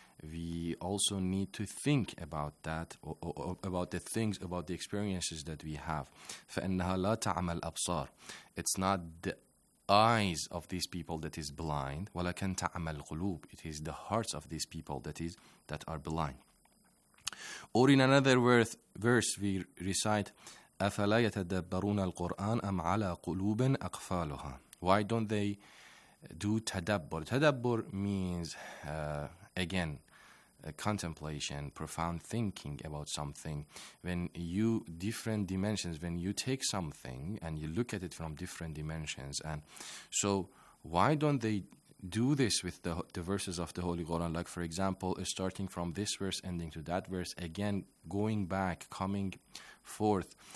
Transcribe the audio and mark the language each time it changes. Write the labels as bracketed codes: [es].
[en] We also need to think about that, about the things, about the experiences that we have. [ar] فَإِنَّهَا لَا تَعْمَ الْأَبْصَارِ. [en] It's not the eyes of these people that is blind. [ar] وَلَكَنْ تَعْمَ الْقُلُوبِ. [en] It is the hearts of these people that are blind. Or in another verse, we recite, [ar] أَفَلَا يَتَدَبَّرُونَ الْقُرْآنَ أَمْ عَلَىٰ قُلُوبٍ أَقْفَالُهَا. [en] Why don't they do tadabbur? Tadabbur means, again, contemplation, profound thinking about something. When you different dimensions, when you take something and you look at it from different dimensions. And so why don't they do this with the verses of the Holy Quran, like, for example, starting from this verse, ending to that verse, again, going back, coming forth.